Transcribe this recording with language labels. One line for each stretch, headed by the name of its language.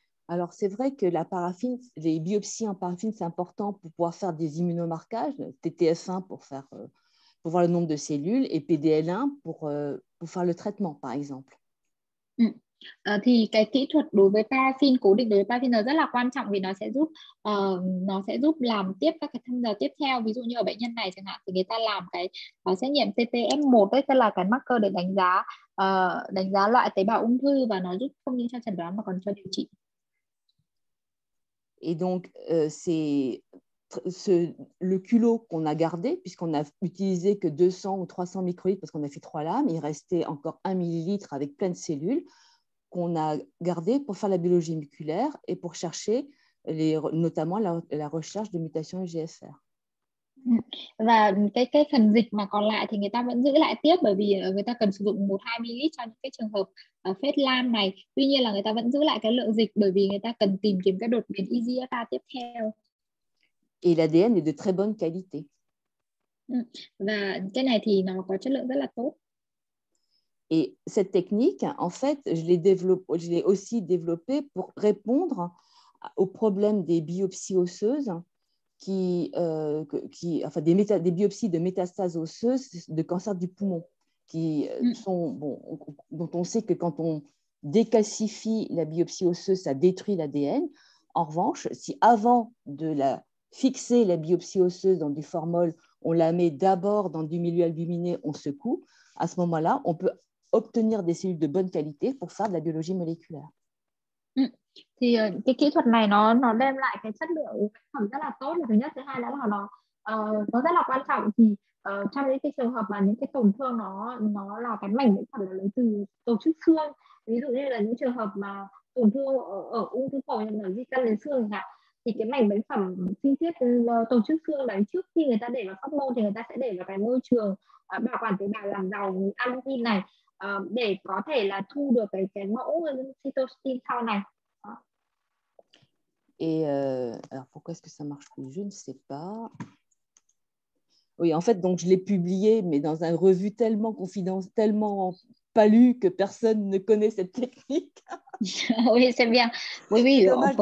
French: Alors, c'est vrai que la paraffine, les biopsies en paraffine, c'est important pour pouvoir faire des immunomarquages, TTF1 pour voir le nombre de cellules et PDL1 pour faire le traitement, par exemple.
Vietnamese: Thì cái kỹ thuật đối với paraffin, cố định đối với paraffin rất là quan trọng, vì nó sẽ giúp làm tiếp các cái thăm dò tiếp theo. Ví dụ như ở bệnh nhân này chẳng hạn, thì người ta làm cái xét nghiệm TTF1, tức là cái marker để đánh giá loại tế bào ung thư, và nó giúp không những cho chẩn đoán mà còn cho điều trị.
French: Et donc, le culot qu'on a gardé, puisqu'on n'a utilisé que 200 ou 300 microlitres parce qu'on a fait trois lames, il restait encore 1 millilitre avec plein de cellules qu'on a gardé pour faire la biologie moléculaire et pour chercher notamment la recherche de mutations EGFR.
Vietnamese: Và cái phần dịch mà còn lại thì người ta vẫn giữ lại tiếp, bởi vì người ta cần sử dụng 1-2 ml cho những cái trường hợp phết lam này. Tuy nhiên là người ta vẫn giữ lại cái lượng dịch, bởi vì người ta cần tìm kiếm cái đột biến EGFR tiếp theo.
French: Et l'ADN est de très bonne qualité.
Vietnamese: Và cái này thì nó có chất lượng rất là tốt.
French: Et cette technique, en fait, je l'ai aussi développée pour répondre au problème des biopsies osseuses. Des biopsies de métastases osseuses de cancer du poumon qui sont dont on sait que quand on décalcifie la biopsie osseuse, ça détruit l'ADN. En revanche, si avant de la fixer la biopsie osseuse dans du formol, on la met d'abord dans du milieu albuminé, on secoue, à ce moment-là, on peut obtenir des cellules de bonne qualité pour faire de la biologie moléculaire.
Vietnamese: Thì cái kỹ thuật này nó đem lại cái chất lượng phẩm rất là tốt, là thứ nhất. Thứ hai là nó rất là quan trọng, thì trong những cái trường hợp mà những cái tổn thương nó là cái mảnh bệnh phẩm lấy từ tổ chức xương, ví dụ như là những trường hợp mà tổn thương ở ung thư phổi là di căn đến xương ạ, thì cái mảnh bệnh phẩm sinh thiết tổ chức xương đấy, trước khi người ta để vào phóc môn thì người ta sẽ để vào cái môi trường bảo quản tế bào làm giàu albumin này. để có thể là thu được cái mẫu cytostatin sau này.
French: Et alors pourquoi est-ce que ça marche plus? Je ne sais pas. Oui, en fait, donc je l'ai publié, mais dans une revue tellement confidentielle, tellement pas lue que personne ne connaît cette technique. Oui, c'est bien. Oui, oui, on peut